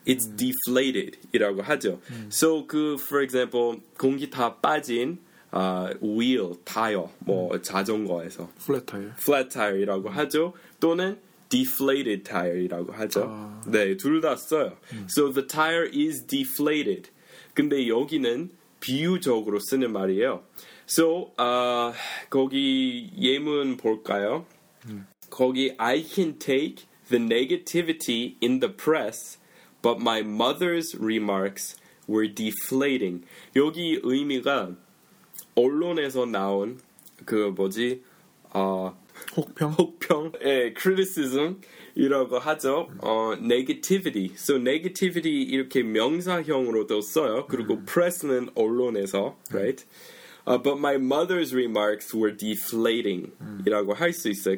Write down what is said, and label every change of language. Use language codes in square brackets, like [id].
[en] It's deflated [ko] 이라고 하죠. So 그 for example 공기 다 빠진 wheel, 타이어, 뭐 자전거에서 [en] flat tire. [ko] Flat tire이라고 하죠. 또는 deflated tire이라고 하죠. 네, 둘 다 써요. [en] So the tire is deflated. [ko] 근데 여기는 비유적으로 쓰는 말이에요. So, 거기 예문 볼까요? [en] 거기 I can take the negativity in the press, but my mother's remarks were deflating. [ko] 여기 의미가 언론에서 나온 그 뭐지? 혹평? 혹평? 예, criticism 이라고 하죠. Negativity. So negativity 이렇게 명사형으로도 써요. 그리고 press는 언론에서, [en] right? But my mother's remarks were deflating [ko] 이라고 할 수 있어요.